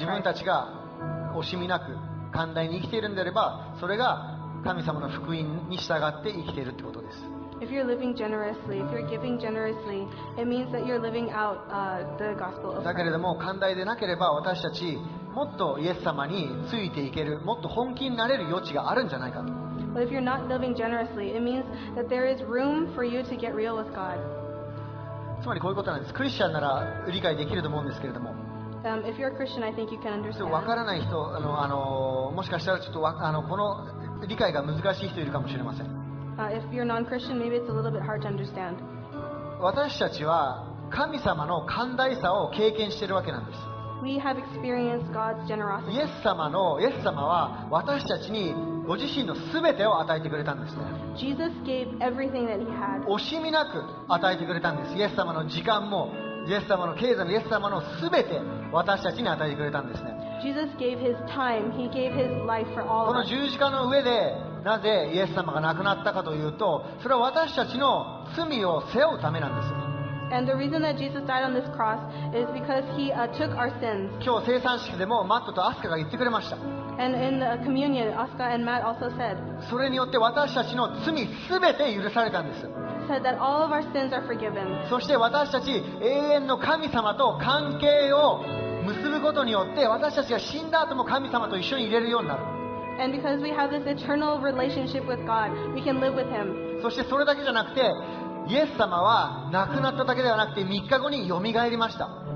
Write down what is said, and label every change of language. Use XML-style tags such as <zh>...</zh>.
<ja>自分たちが惜しみなく寛大に生きているんであれば、それが神様の福音に従って生きているってことです。</ja> <en>If you're living generously, if you're giving generously, it means that you're living out, the gospel of Christ.</en> <ja>だけれども、寛大でなければ私たちもっとイエス様についていける、もっと本気になれる余地があるんじゃないかと。</ja> <en>But if you're not living generously, it means that there is room for you to get real with God.</en> <ja>つまりこういうことなんです。クリスチャンなら理解できると思うんですけれども。</ja> <en>If you're a Christian, I think you can understand.</en> <ja>わからない人、もしかしたらちょっとこの理解が難しい人いるかもしれません。</ja> <en>If you're non-Christian, maybe it's a little bit hard to understand.</en> <ja>私たちは神様の寛大さを経験しているわけなんです。</ja> <en>We have experienced God's generosity.</en> <ja>イエス様は私たちにご自身のすべてを与えてくれたんですね。</ja> <en>Jesus gave everything that he had.</en> <ja>惜しみなく与えてくれたんです。イエス様の時間も、イエス様の経済も、イエス様のすべて私たちに与えてくれたんですね。</ja> <en>Jesus gave his time. He gave his life for all of us.</en> <ja>この十字架の上で、なぜイエス様が亡くなったかというと、それは私たちの罪を背負うためなんです。</ja> <en>And the reason that Jesus died on this cross is because he took our sins.</en> <ja>今日聖餐式でもマットとアスカが言ってくれました。</ja> <en>And in the communion, Asuka and Matt also said.</en> <ja>それによって私たちの罪すべて許されたんです。</ja> <en>Said that all of our sins are forgiven.</en> <ja>そして私たち永遠の神様と関係を結ぶことによって私たちが死んだ後も神様と一緒にいれるようになる。</ja> <en>And because we have this eternal relationship with God, we can live with Him.</en> <ja>そしてそれだけじゃなくて。イエス様は亡くなっただけではなくて3日後によみがえりました。</ja>